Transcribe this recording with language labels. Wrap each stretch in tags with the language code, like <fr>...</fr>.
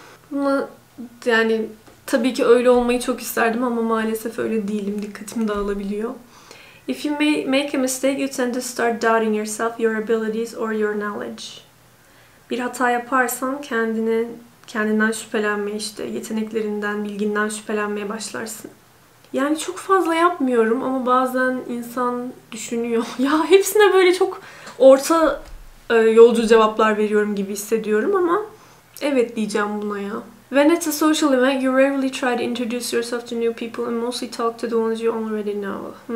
<tr>Buna yani tabii ki öyle olmayı çok isterdim ama maalesef öyle değilim. Dikkatim dağılabiliyor.</tr> <en>If you make a mistake, you tend to start doubting yourself, your abilities or your knowledge.</en> <tr>Bir hata yaparsan kendinden şüphelenme işte. Yeteneklerinden, bilginden şüphelenmeye başlarsın. Yani çok fazla yapmıyorum ama bazen insan düşünüyor. Ya hepsine böyle çok orta yolcu cevaplar veriyorum gibi hissediyorum ama evet diyeceğim buna ya.</tr> <en>When it's a social event, you rarely try to introduce yourself to new people and mostly talk to the ones you already know.</en>